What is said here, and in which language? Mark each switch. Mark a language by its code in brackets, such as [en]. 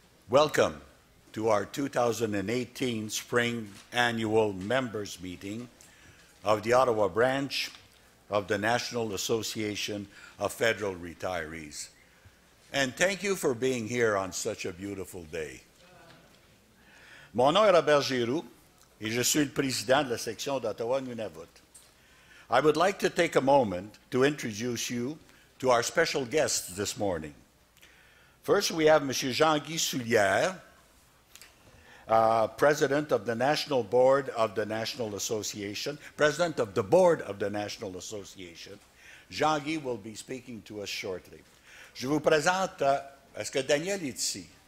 [en] Welcome to our 2018 Spring Annual Members Meeting of the Ottawa Branch of the National Association of Federal Retirees. And thank you for being here on such a beautiful day. [fr] Mon nom est Robert Giroux et je suis le président de la section d'Ottawa Nunavut. [en] I would like to take a moment to introduce you to our special guests this morning. First, we have Monsieur Jean-Guy Soulière, President of the National Board of the National Association, President of the Board of the National Association. Jean-Guy will be speaking to us shortly. [fr] Je vous présente, est-ce que Daniel est ici?